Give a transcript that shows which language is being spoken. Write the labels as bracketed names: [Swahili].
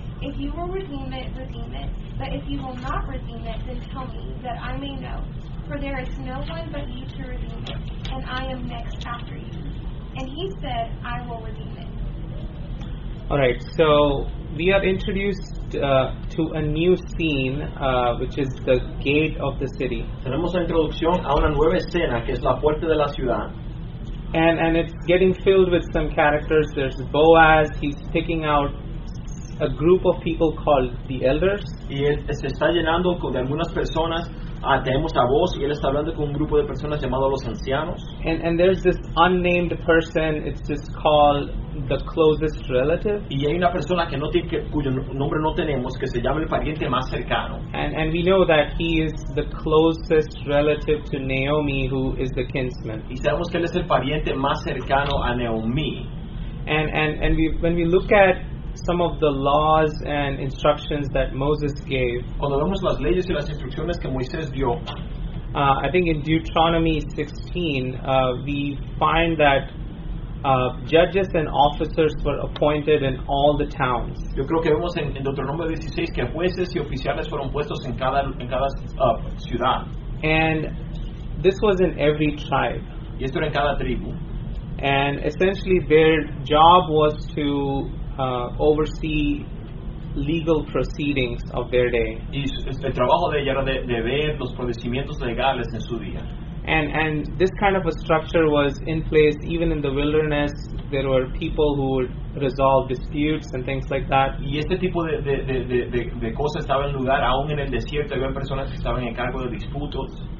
[English] If you will redeem it, redeem it. But if you will not redeem it, then tell me, that I may know. For there is no one but you to redeem it, and I am next after you." And he said, I will redeem it. All right, so we are introduced to a new scene, which is the gate of the city. [Spanish] Tenemos la introducción a una nueva escena, que es la puerta de la ciudad. [English] And it's getting filled with some characters. There's Boaz, he's picking out a group of people called the elders. [Spanish] Y él se está llenando con algunas personas. Tenemos a Boaz y él está hablando con un grupo de personas llamado los ancianos. [English] And there's this unnamed person, it's just called the closest relative. [Spanish] Y hay una persona que no tiene, cuyo nombre no tenemos, que se llama el pariente más cercano. [English] And we know that he is the closest relative to Naomi, who is the kinsman. [Spanish] Y sabemos que él es el pariente más cercano a Naomi. [English] And we, when we look at some of the laws and instructions that Moses gave. [Spanish] Cuando vemos las leyes y las instrucciones que Moisés dio, [English] I think in Deuteronomy 16, we find that judges and officers were appointed in all the towns. [Spanish] Yo creo que vemos en Deuteronomio 16 que jueces y oficiales fueron puestos en cada ciudad. [English] And this was in every tribe. [Spanish] Y esto era en cada tribu. [English] And essentially their job was to oversee legal proceedings of their day. [Spanish] Y el trabajo de ella era de ver los procedimientos legales en su día. [English] And this kind of a structure was in place even in the wilderness. There were people who would resolve disputes and things like that. [Spanish] Y este tipo de cosas estaba en lugar aún en el desierto. Había personas que estaban en cargo de disputos.